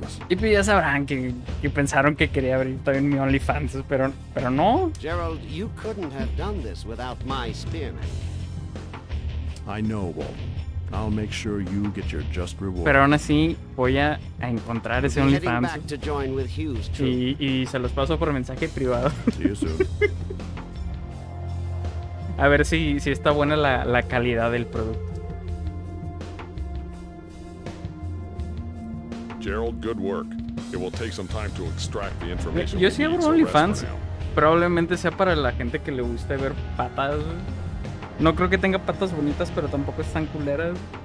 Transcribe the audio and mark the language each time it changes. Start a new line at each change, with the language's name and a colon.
Spanish: Y pues ya sabrán que pensaron que quería abrir también mi OnlyFans, pero no.
English: Gerald, you couldn't have done this without my spearmen. I know, Walton. I'll make sure you get your just reward.
Spanish: Pero aún así, voy a encontrar ese OnlyFans. Y se los paso por mensaje privado.
English: See you soon.
Spanish: A ver si está buena la calidad del producto.
English: Gerald, good work. It will take some time to extract the information.
Spanish: Yo sí abro OnlyFans. Probablemente sea para la gente que le guste ver patas. No creo que tenga patas bonitas, pero tampoco están culeras.